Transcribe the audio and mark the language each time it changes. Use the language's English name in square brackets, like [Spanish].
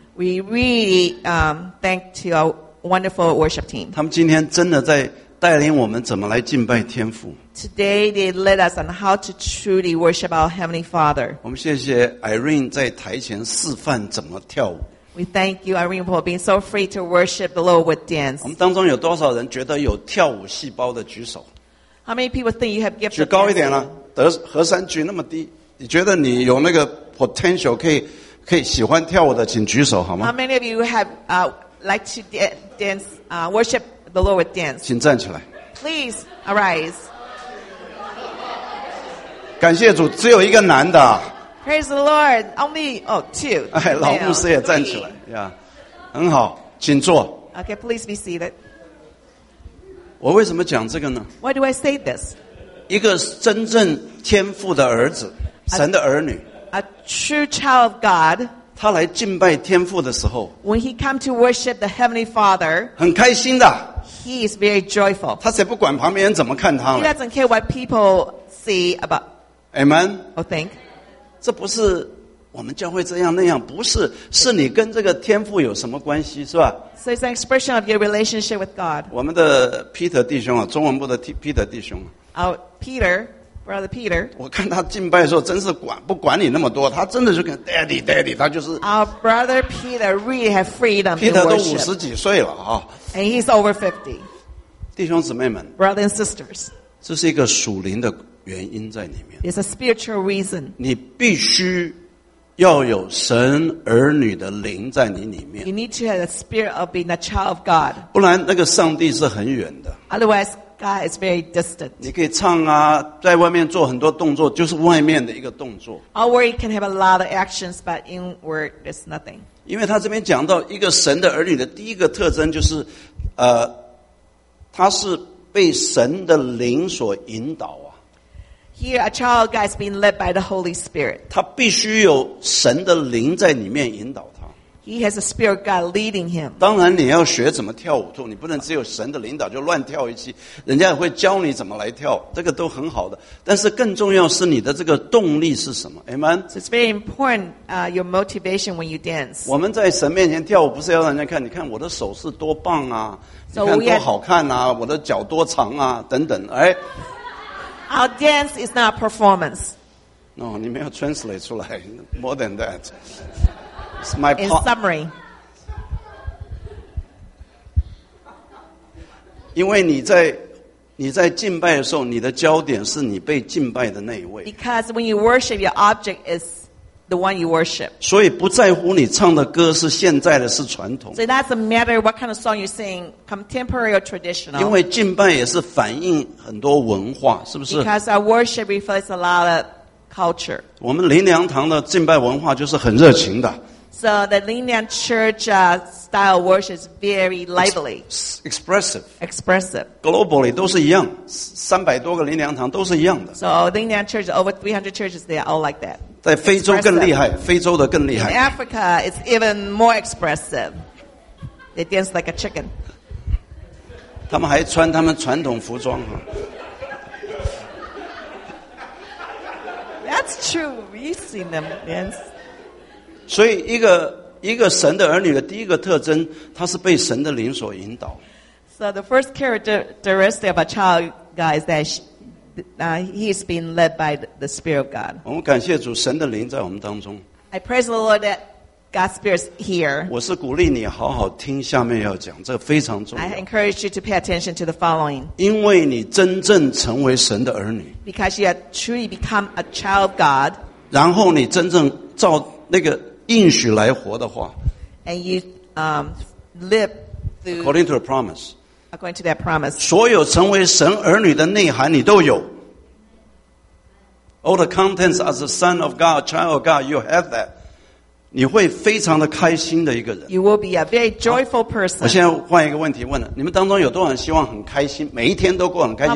[English] we really thank to our wonderful worship team. [Chinese] 他们今天真的在带领我们怎么来敬拜天父, [English] today they led us on how to truly worship our Heavenly Father. [Chinese] 我们谢谢 Irene 在台前示范怎么跳舞, [English] we thank you Irene for being so free to worship the Lord with dance. [Chinese] 我们当中有多少人觉得有跳舞细胞的举手, [English] how many people think you have gifts? [Chinese] 举高一点了, 和山举那么低, 你觉得你有那个 potential 可以喜欢跳舞的, 请举手好吗? [English] How many of you have like to dance, worship the Lord with dance? [Chinese] 请站起来, [English] please arise. [Chinese] 感谢主, 只有一个男的, [English] praise the Lord, only two. [Chinese] 哎, 老牧师也站起来, yeah, 很好, 请坐, [English] okay, please be seated. [Chinese] 我为什么讲这个呢? [English] Why do I say this? [Chinese] 一个真正天父的儿子, 神的儿女, [English] a true child of God, [Chinese] 他来敬拜天父的时候, [English] when he come to worship the Heavenly Father, [Chinese] 很开心的, [English] he is very joyful. [Chinese] 他才不管旁边人怎么看他了, [English] he doesn't care what people see about. Amen. Oh, think. [Chinese] 这不是我们教会这样那样，不是，是你跟这个天父有什么关系，是吧？ [English] So it's an expression of your relationship with God. [Chinese] 我们的 Peter 弟兄啊，中文部的 Peter 弟兄。 [English] Peter, brother Peter. [Chinese] 我看他敬拜的时候，真是管不管你那么多，他真的就跟 Daddy Daddy， 他就是。 [English] Our brother Peter really have freedom. [Chinese] Peter 都五十几岁了啊。 [English] And he's over 50. [Chinese] 弟兄姊妹们 [English] ，Brothers and sisters. [Chinese] 这是一个属灵的原因在里面。 [English] It's a spiritual reason. [Chinese] 你必须。要有神儿女的灵在你里面。 [English] You need to have the spirit of being a child of God. [Chinese] 不然那个上帝是很远的。 [English] Otherwise, God is very distant. [Chinese] 你可以唱啊，在外面做很多动作，就是外面的一个动作。 [English] Outward can have a lot of actions, but inward there's nothing. [Chinese] 因为他这边讲到一个神的儿女的第一个特征就是，他是被神的灵所引导。 [English] Here, a child God is being led by the Holy Spirit. [Chinese] 他必须有神的灵在里面引导他。 [English] He has a spirit of God leading him. [Chinese] 当然，你要学怎么跳舞，你不能只有神的领导就乱跳一气，人家也会教你怎么来跳，这个都很好的。但是更重要是你的这个动力是什么 ？Amen. [English] So it's very important, your motivation when you dance. [Chinese] 我们在神面前跳舞，不是要让人家看，你看我的手势多棒啊，你看多好看啊，我的脚多长啊，等等，哎。 [English] Our dance is not a performance. No, [Chinese] 你没有 [English] translate [Chinese] 出来 [English] more than that. It's my part. In summary. [Chinese] 因为你在敬拜的时候，你的焦点是你被敬拜的那一位。 [English] Because when you worship, your object is the one you worship. [Chinese] 所以不在乎你唱的歌是现在的，是传统。 [English] So it doesn't matter what kind of song you sing, contemporary or traditional. [Chinese] 因为敬拜也是反映很多文化，是不是？ [English] Because our worship reflects a lot of culture. [Chinese] 我们灵粮堂的敬拜文化就是很热情的。 [English] So the 灵粮 church style worship is very lively. Expressive. Expressive. [Chinese] Globally 都是一样，三百多个灵粮堂都是一样的。 [English] So 灵粮 church over 300 churches, they are all like that. [Chinese] 在非洲更厉害，非洲的更厉害。 [English] In Africa, it's even more expressive. They dance like a chicken. [Chinese] 他们还穿他们传统服装哈。 [English] That's true. We've seen them dance. [Chinese] 所以一个神的儿女的第一个特征，他是被神的灵所引导。 [English] So the first characteristic of a child, guys, that she,he's been led by the Spirit of God. [Chinese] 我们感谢主，神的灵在我们当中。 [English] I praise the Lord that God's Spirit is here. [Chinese] 我是鼓励你好好听下面要讲，这个非常重要。 [English] I encourage you to pay attention to the following. [Chinese] 因为你真正成为神的儿女。 [English] Because you have truly become a child of God. [Chinese] 然后你真正照那个应许来活的话。 [English] And you live through. According to the promise. According to that promise. [Chinese] 所有成为神儿女的内涵你都有。 [English] All the contents as a son of God, child of God, you have that. [Chinese] 你会非常的开心的一个人。 [English] You will be a very joyful person. [Chinese] 我现在换一个问题问了，你们当中有多少人希望很开心，每一天都过很开心？